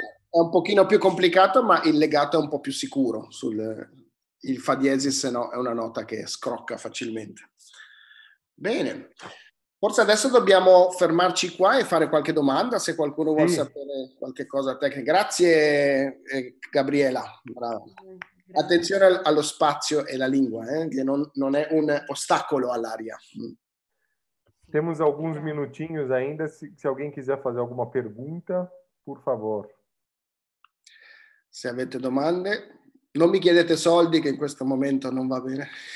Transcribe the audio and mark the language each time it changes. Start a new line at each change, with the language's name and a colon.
Italian: È un pochino più complicato, ma il legato è un po' più sicuro. Il fa diesis, se no, è una nota che scrocca facilmente. Bene. Forse adesso dobbiamo fermarci qua e fare qualche domanda, se qualcuno vuole sapere qualche cosa tecnica. Grazie, Gabriela. Bravo. Attenzione allo spazio e alla lingua, che non è un ostacolo all'aria.
Portuguese: Temos alguns minutinhos ainda. Se alguém quiser fazer alguma pergunta, por favor.
Italian: Se avete domande, non mi chiedete soldi, che in questo momento non va bene.